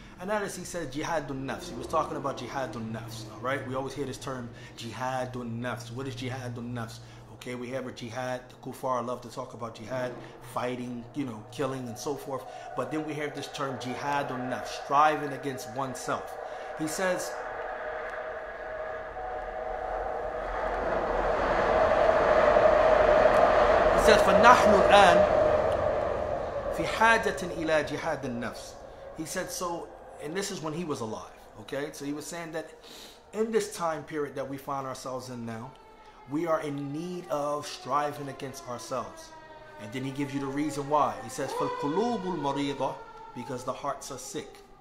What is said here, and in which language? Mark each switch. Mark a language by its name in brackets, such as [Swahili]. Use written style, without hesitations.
[English] And that is, he said, Jihadun Nafs. He was talking about Jihadun Nafs, all right? We always hear this term, Jihadun Nafs. What is Jihadun Nafs? Okay, we have a jihad. The kuffar love to talk about jihad, fighting, you know, killing and so forth. But then we have this term, Jihadun Nafs, striving against oneself. He says, [Arabic] فَنَحْنُ الْآنْ فِي حَاجَةٍ إِلَى جِهَادِ النَّفْسِ. [English] He said so, and this is when he was alive, okay? So he was saying that in this time period that we find ourselves in now, we are in need of striving against ourselves. And then he gives you the reason why. He says, [Arabic] فَالْقُلُوبُ الْمَرِيضَةِ, [English] because the hearts are sick.